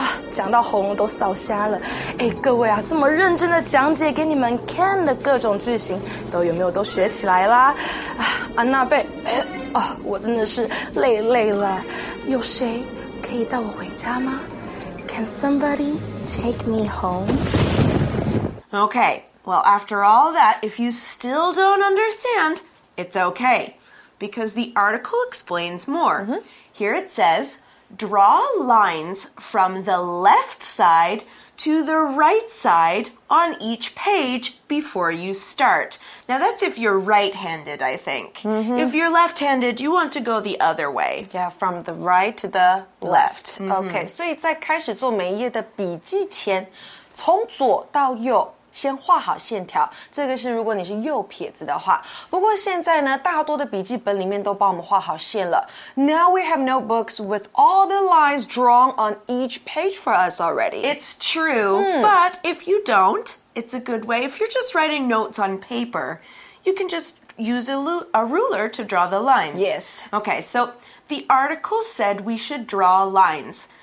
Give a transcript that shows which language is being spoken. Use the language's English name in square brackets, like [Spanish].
[Chinese] 讲到喉咙都烧瞎了，诶，各位啊，这么认真的讲解给你们 can 的各种句型，都有没有都学起来啦？安娜贝，我真的是累累了，有谁可以带我回家吗？ [English] Can somebody take me home? Okay, well after all that, if you still don't understand, it's okay, because the article explains more. Here it says,Draw lines from the left side to the right side on each page before you start. Now that's if you're right-handed, I think. Mm-hmm. If you're left-handed, you want to go the other way. Yeah, from the right to the left. [Chinese] Okay, 所以在开始做每一页的笔记前，从左到右先画好线条，这个是如果你是右撇子的话。不过现在呢，大多的笔记本里面都帮我们画好线了。 [English] Now we have notebooks with all the lines drawn on each page for us already. It's true, but if you don't, it's a good way. If you're just writing notes on paper, you can just use a ruler to draw the lines. Yes. Okay, so the article said we should draw lines.